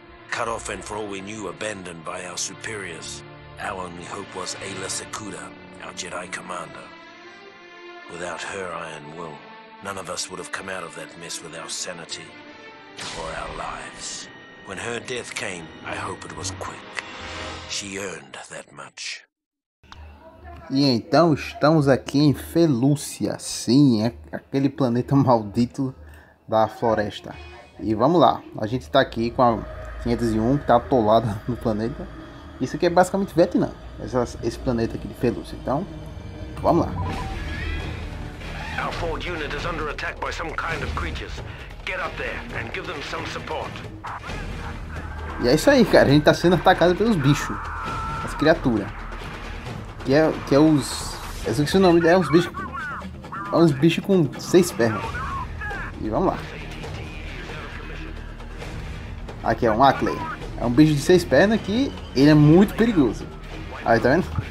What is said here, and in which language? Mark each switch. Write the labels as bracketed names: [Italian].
[English] Cut off and for all we knew, abandoned by our superiors, our only hope was Aayla Secuda, our Jedi commander. Without her iron will, none of us would have come out of that mess with our sanity. For our lives. When her death came, I hope it was quick. She earned that much. [Portuguese] E então estamos aqui em Felúcia. Sim, é aquele planeta maldito da floresta. E vamos lá. A gente tá aqui com a 501 que tá atolada no planeta. Isso aqui é basicamente Vietnã. Esse planeta aqui de Felúcia. Então, vamos lá. [English] Our Ford unit is under attack by some kind of creatures. Get up there and give them some support. [Portuguese] E é isso aí, cara. A gente tá sendo atacado pelos bichos. As criaturas. Que é os. Eu esqueci o nome, é os bichos. É uns bichos com 6 pernas. E vamos lá. Aqui é um Ackley. É um bicho de 6 pernas que ele é muito perigoso. Aí, tá vendo?